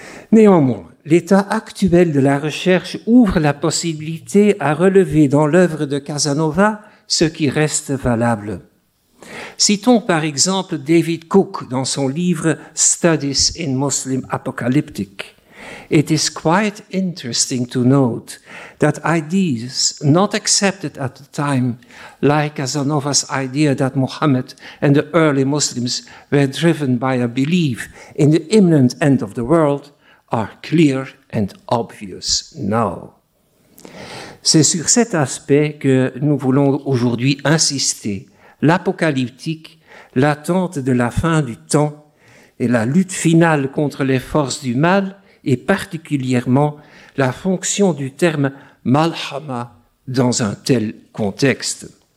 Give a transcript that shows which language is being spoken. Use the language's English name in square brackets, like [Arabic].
[French] Néanmoins, l'état actuel de la recherche ouvre la possibilité à relever dans l'œuvre de Casanova ce qui reste valable. Citons par exemple David Cook dans son livre « Studies in Muslim Apocalyptic ». [English] It is quite interesting to note that ideas not accepted at the time, like Casanova's idea that Muhammad and the early Muslims were driven by a belief in the imminent end of the world, are clear and obvious now. [French] C'est sur cet aspect que nous voulons aujourd'hui insister. L'apocalyptique, l'attente de la fin du temps et la lutte finale contre les forces du mal et particulièrement la fonction du terme malhama dans un tel contexte.